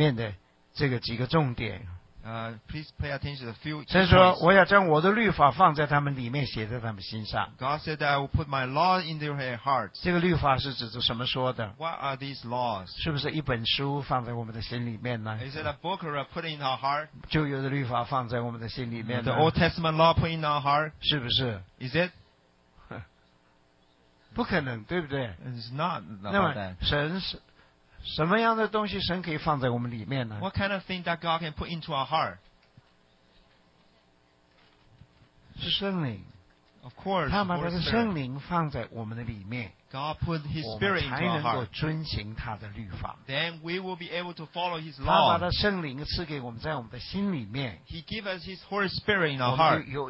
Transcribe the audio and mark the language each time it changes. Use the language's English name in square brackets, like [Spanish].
[Chinese] 你注意一下这里面的这个几个重点。 [English] Please pay attention to a few. [Chinese] 神说我要将我的律法放在他们里面写在他们心上。 [English] God said that I will put my law in their hearts. [Chinese] 这个律法是指着什么说的？ [English] What are these laws? [Chinese] 是不是一本书放在我们的心里面呢？ [English] Is it a book or a put in our heart? [Chinese] 旧约的律法放在我们的心里面呢？ [English] The Old Testament law put in our heart? [Chinese] 是不是？ [English] Is it? [Chinese] 不可能，对不对？ [English] It's not about that. [Chinese] 神是 什么样的东西神可以放在我们里面呢? [English] What kind of thing that God can put into our heart? [Chinese] 是圣灵。 [English] Of course, [Chinese] 他把他的圣灵放在我们的里面。 [English] God put His Spirit into our heart. [Chinese] 我们才能够遵行他的律法。 [English] Then we will be able to follow His law. [Chinese] 他把他圣灵赐给我们在我们的心里面。 [English] He give us His Holy Spirit in our heart.